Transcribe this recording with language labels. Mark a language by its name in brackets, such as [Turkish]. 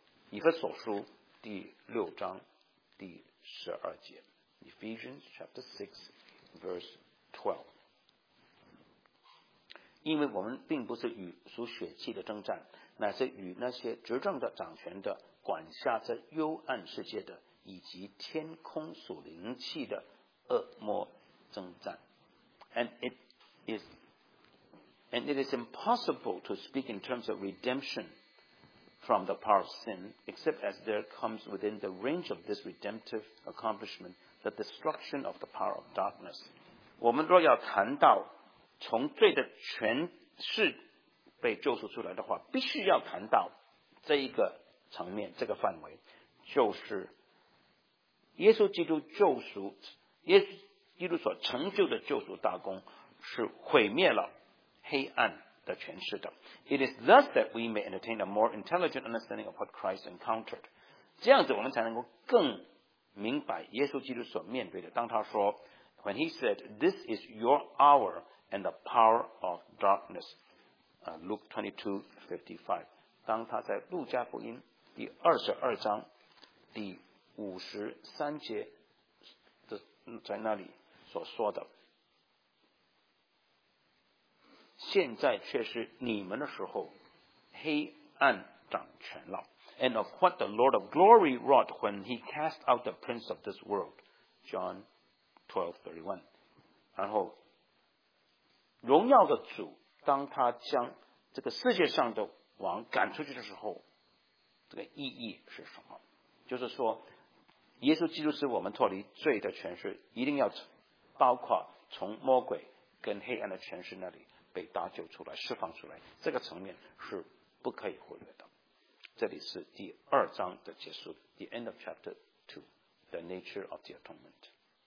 [Chinese] 以弗所书第六章第十二节， [English] Ephesians chapter 6 verse 12。 [Chinese] 因为我们并不是与属血气的征战，乃是与那些执政的、掌权的、管辖着幽暗世界的以及天空属灵气的恶魔征战。 [English] And it is impossible to speak in terms of redemption from the power of sin, except as there comes within the range of this redemptive accomplishment the destruction of the power of darkness. [Chinese] 我们若要谈到从罪的权势被救赎出来的话，必须要谈到这一个层面，这个范围，就是耶稣基督救赎，耶稣基督所成就的救赎大功是毁灭了黑暗。 [English] It is thus that we may entertain a more intelligent understanding of what Christ encountered. [Chinese] 这样子我们才能够更明白耶稣基督所面对的。当他说 ， [English] When he said, "This is your hour and the power of darkness," Luke 22:55. [Chinese] 当他在路加福音第二十二章第五十三节的在那里所说的。现在却是你们的时候，黑暗掌权了。 [English] And of what the Lord of glory wrought when he cast out the prince of this world, John 12:31. [Chinese] 然后荣耀的主当他将这个世界上的王赶出去的时候，这个意义是什么？就是说耶稣基督是我们脱离罪的权势，一定要包括从魔鬼跟黑暗的权势那里被搭救出来，释放出来，这个层面是不可以忽略的。这里是第二章的结束， [English] The end of chapter 2, The nature of the atonement.